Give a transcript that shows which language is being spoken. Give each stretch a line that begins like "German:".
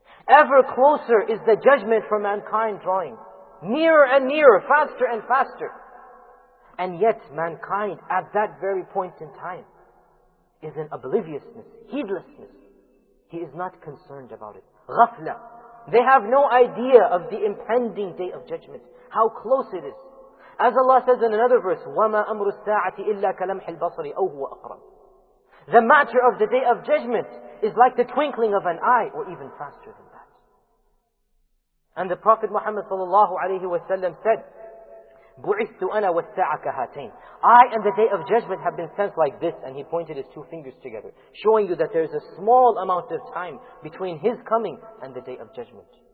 English: Ever closer is the judgment for mankind drawing. Nearer and nearer, faster and faster. And yet mankind at that very point in time is in obliviousness, heedlessness. He is not concerned about it. Ghafla. They have no idea of the impending day of judgment. How close it is. As Allah says in another verse,
Arabic: وَمَا أَمْرُ السَّاعَةِ إِلَّا كَلَمْحِ الْبَصَرِ أَوْ هُوَ أَقْرَبُ.
English: The matter of the day of judgment is like the twinkling of an eye, or even faster than that. And the Prophet Muhammad sallallahu alayhi wa sallam said,
Arabic: بُعِثْتُ أَنَا وَالسَّاعَةَ كَهَاتَيْنِ.
English: I and the day of judgment have been sent like this, and he pointed his two fingers together, showing you that there is a small amount of time between his coming and the day of judgment.